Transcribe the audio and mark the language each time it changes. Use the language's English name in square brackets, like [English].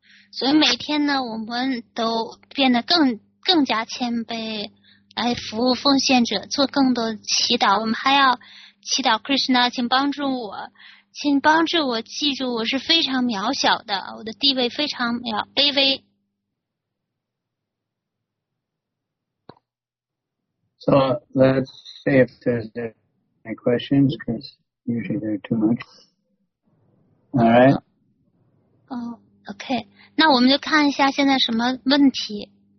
[Chinese] 所以每天呢，我们都变得更加谦卑，来服务奉献者，做更多祈祷。我们还要祈祷 Krishna， 请帮助我，请帮助我记住我是非常渺小的，我的地位非常卑微。 [English] So let's see if there's any questions, because usually there are too much. All right. Oh, okay. [Chinese] 那我们就看一下现在什么问题。